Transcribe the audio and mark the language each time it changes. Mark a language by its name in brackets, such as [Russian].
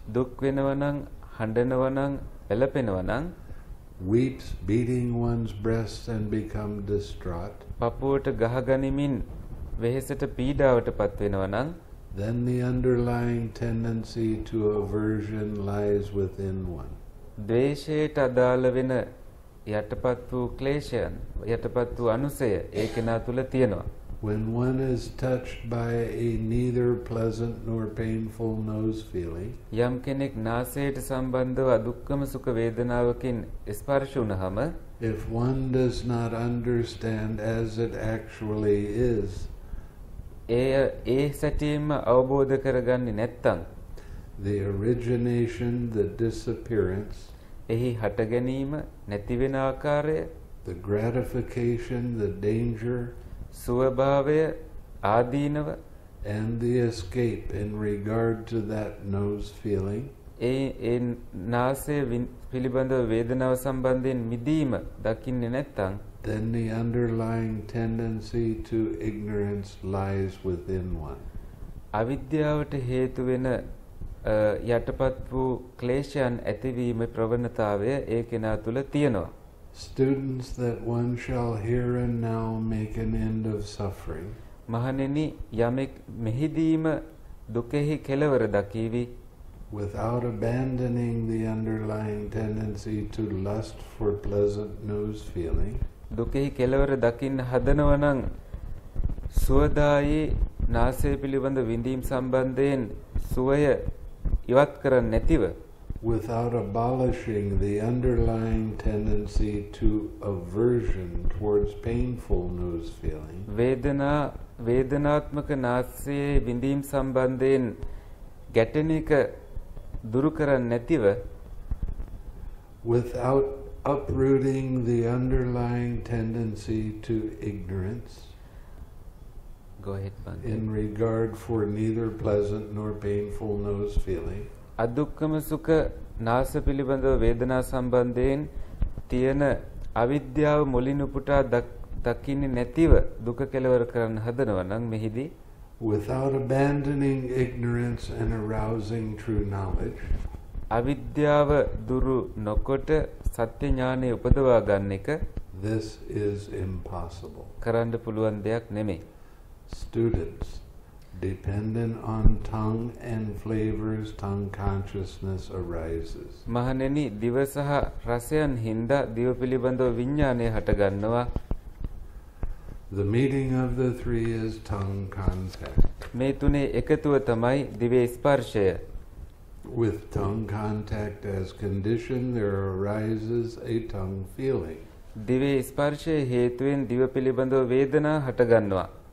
[Sinhala] දුක් වෙනව නම් හඬනව නම් එළපෙනව නම් [English] weeps beating one's breast and become distraught [Sinhala] පපුවට ගහගනිමින් වෙහෙසට පීඩාවටපත් වෙනව නම් [English] then the underlying tendency to aversion lies within one [Sinhala] ද්වේෂයට අදාළ වෙන යටපත් වූ ක්ලේශයන් යටපත් වූ අනුසය ඒ කෙනා තුල තියෙනවා [English] when one is touched by a neither pleasant nor painful nose feeling [Sinhala] යම් කෙනෙක් නාසයට සම්බන්ධව දුක්ඛම සුඛ වේදනාවකින් ස්පර්ශ වුනහම [English] if one does not understand as it actually is [Sinhala] ඒ සැටියෙම අවබෝධ කරගන්නේ නැත්තම් [English] the origination the disappearance [Sinhala] එහි හට ගැනීම නැති වෙන ආකාරය [English] the gratification the danger [Sinhala] ස්වභාවය ආදීනව [English] and the escape in regard to that nose feeling [Sinhala] ඒ නාසයේ පිළිබඳව වේදනාව සම්බන්ධයෙන් මිදීම දකින්නේ නැත්තම් [English] then the underlying tendency to ignorance lies within one [Sinhala] අවිද්‍යාවට හේතු වෙන යටපත් වූ ක්ලේශයන් ඇතිවීමේ ප්‍රවණතාවය ඒ කෙනා තුළ තියෙනවා [English] students that one shall here and now make an end of suffering [Sinhala] මහණෙනි යමෙක් මෙහිදීම දුකෙහි කෙලවර දකීවි [English] without abandoning the underlying tendency to lust for pleasant nose feeling [Sinhala] දුකෙහි කෙලවර දකින්න හදනව නම් සුවදායි නාසය පිළිබඳ විඳීම් සම්බන්ධයෙන් සුවය ඉවත් කරන්නේ නැතිව [English] without abolishing the underlying tendency to aversion towards painful nose feeling [Sinhala] වේදනාත්මක නාසයේ විඳීම් සම්බන්ධයෙන් ගැටෙන එක දුරු කරන්නේ නැතිව [English] without uprooting the underlying tendency to ignorance go ahead Pankaj in regard for neither pleasant nor painful nose feeling [Sinhala] අදුක්කම සුඛ නාස පිළිබඳව වේදනා සම්බන්ධයෙන් තියෙන අවිද්‍යාව මුලින් උපුටා දකින්නේ නැතිව දුක කෙලවර කරන්න හදනවා නම් මෙහිදී [English] without abandoning ignorance and arousing true knowledge [Sinhala] අවිද්‍යාව දුරු නොකොට සත්‍ය ඥානය උපදවා ගන්න එක [English] this is impossible [Sinhala] කරන්න පුළුවන් දෙයක් නෙමෙයි [English] students dependent on tongue and flavors tongue consciousness arises [Sinhala] මහණෙනි දිව සහ රසයන් හින්දා දිව පිළිබඳව විඥානය හට ගන්නවා [English] the meeting of the three is tongue contact [Sinhala] මේ තුනේ එකතුව තමයි දිවේ ස්පර්ශය [English] with tongue contact as condition there arises a tongue feeling [Sinhala] දිවේ ස්පර්ශය හේතුවෙන් දිව පිළිබඳව වේදනා හට ගන්නවා